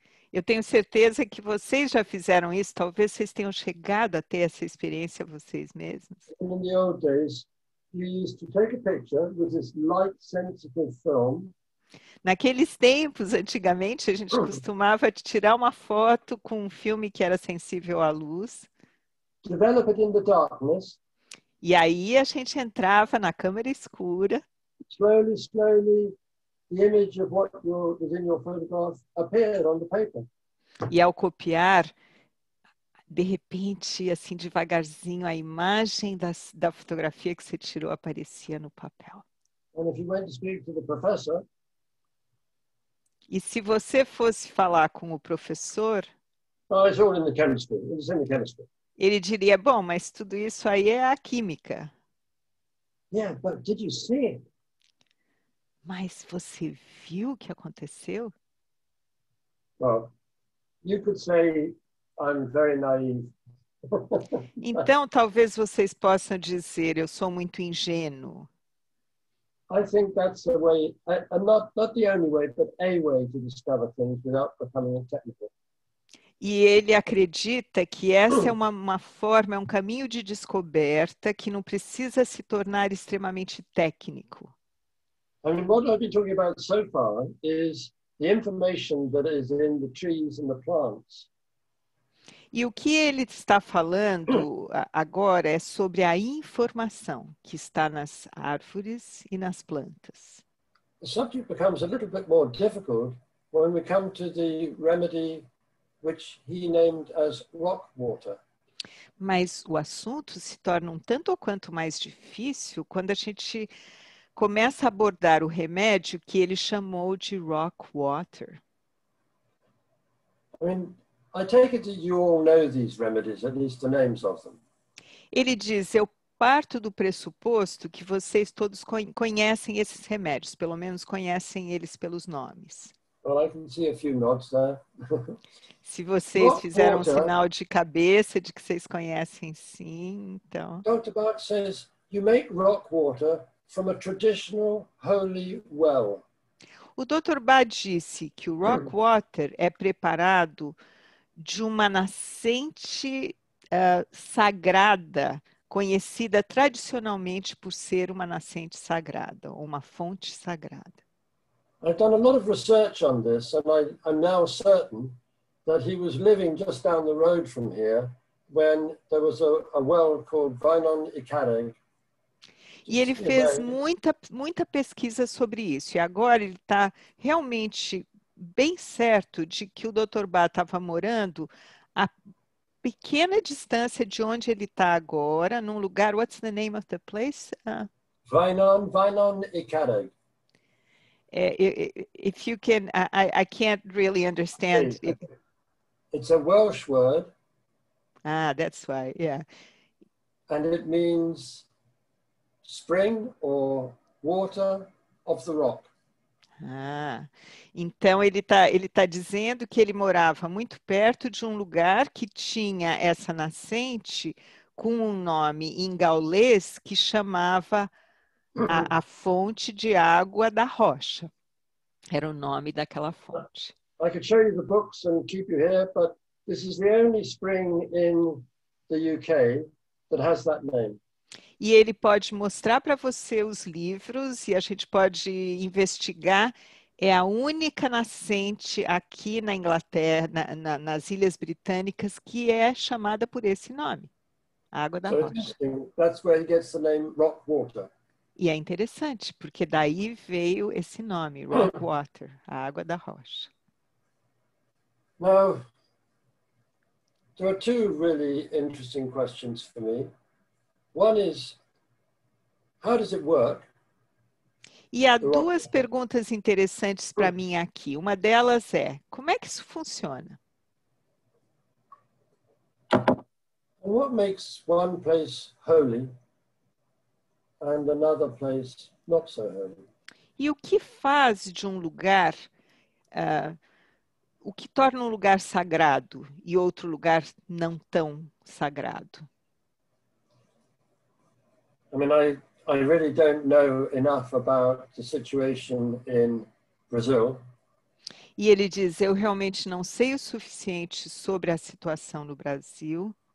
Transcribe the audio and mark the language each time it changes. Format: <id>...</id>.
<pt>Eu tenho certeza que vocês já fizeram isso. Talvez vocês tenham chegado a ter essa experiência vocês mesmos.</pt> <en>In the old days, you used to take a picture with this light sensitive film.</en> <pt>Naqueles tempos, antigamente, a gente costumava tirar uma foto com um filme que era sensível à luz.</pt> <en>Develop it in the darkness.</en> <pt>E aí a gente entrava na câmera escura.</pt> <en>Slowly, slowly, the image of what was in your photograph appeared on the paper.</en> <pt>E ao copiar, de repente, assim, devagarzinho, a imagem da fotografia que você tirou aparecia no papel.</pt> <en>And if you went to speak to the professor,</en> <pt>e se você fosse falar com o professor,</pt> <en>oh, it's all in the chemistry. It's in the chemistry.</en> <pt>Ele diria, bom, mas tudo isso aí é a química.</pt> <en>Yeah, but did you see it?</en> <pt>Mas você viu o que aconteceu?</pt> <en>Well, you could say I'm very naive.</en> <pt>Então, talvez vocês possam dizer, eu sou muito ingênuo.</pt> <en>I think that's a way, not the only way, but a way to discover things without becoming a technical.</en> <pt>E ele acredita que essa é uma forma, é um caminho de descoberta que não precisa se tornar extremamente técnico.</pt> <en>I mean, what I've been talking about so far is the information that is in the trees and the plants.</en> <pt>E o que ele está falando agora é sobre a informação que está nas árvores e nas plantas.</pt> <en>The subject becomes a little bit more difficult when we come to the remedy which he named as rock water.</en> <pt>Mas o assunto se torna um tanto ou quanto mais difícil quando a gente começa a abordar o remédio que ele chamou de rock water.</pt> <en>I mean, I take it that you all know these remedies, at least the names of them.</en> <pt>Ele diz, eu parto do pressuposto que vocês todos conhecem esses remédios, pelo menos conhecem eles pelos nomes.</pt> <en>Well, I can see a few nods there.</en> <pt>Se vocês fizeram um sinal de cabeça de que vocês conhecem, sim, então...</pt> <en>Dr. Bach says, you make rock water from a traditional holy well.</en> <pt>O Dr. Bach disse que o rock water é preparado de uma nascente sagrada, conhecida tradicionalmente por ser uma nascente sagrada, ou uma fonte sagrada.</pt> <en>I've done a lot of research on this, and I'm now certain that he was living just down the road from here when there was a well called Vinon Ikareg.</en> <pt>E ele fez muita pesquisa sobre isso, e agora ele está realmente bem certo de que o Dr. Bach estava morando a pequena distância de onde ele está agora, num lugar,</pt> <en>what's the name of the place? Vinon Ikareg. If you can, I can't really understand. It's a Welsh word. Ah, that's why, yeah. And it means spring or water of the rock.</en> <pt>Ah, então ele tá dizendo que ele morava muito perto de um lugar que tinha essa nascente com um nome em gaulês que chamava a fonte de água da rocha. Era o nome daquela fonte.</pt> <en>I could show you the books and keep you here, but this is the only spring in the UK that has that name.</en> <pt>E ele pode mostrar para você os livros e a gente pode investigar. É a única nascente aqui na Inglaterra, nas Ilhas Britânicas, que é chamada por esse nome. Água da Rocha.</pt> <en>That's where he gets the name rock water.</en> <pt>E é interessante, porque daí veio esse nome, rock water, a água da rocha.</pt> <en>Now, there are two really interesting questions for me. One is, how does it work?</en> <pt>E há duas perguntas interessantes para mim aqui. Uma delas é, como é que isso funciona?</pt> <en>What makes one place holy and another place not so holy?</en> <pt>E o que faz de um lugar, o que torna um lugar sagrado e outro lugar não tão sagrado?</pt> <en>I mean, I really don't know enough about the situation in Brazil.</en> <pt>E ele diz, eu realmente não sei o suficiente sobre a situação no Brasil.</pt>